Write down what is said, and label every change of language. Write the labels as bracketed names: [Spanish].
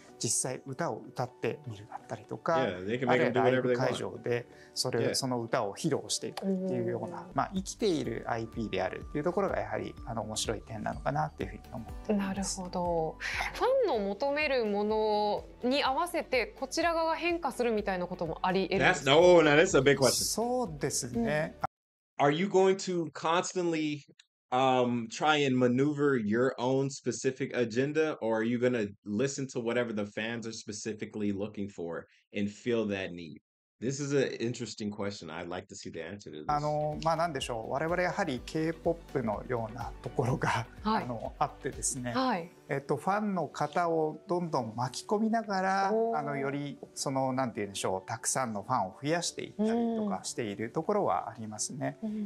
[Japanese] 実際歌を歌ってみるだったりとか、あるいはライブ会場でその歌を披露していくっていうような、まあ、生きている IP であるっていうところがやはり面白い点なのかなっていうふうに思っています。なるほど、ファンの求めるものに合わせてこちら側が変化するみたいなこともあり得る。 [English] That's, oh, now that's a big question. [Japanese] そうですね、うん、 [English] Are you going to constantly try and maneuver your own specific agenda, or are you going to listen to whatever the fans are specifically looking for and feel that need? This is an interesting question. I'd like to see the answer to this. [Japanese] まあ、なんでしょう。我々やはり K-POP のようなところが、はい、あってですね、はい、ファンの方をどんどん巻き込みながら、よりその、なんて言うんでしょう、たくさんのファンを増やしていったりとかしているところはありますね。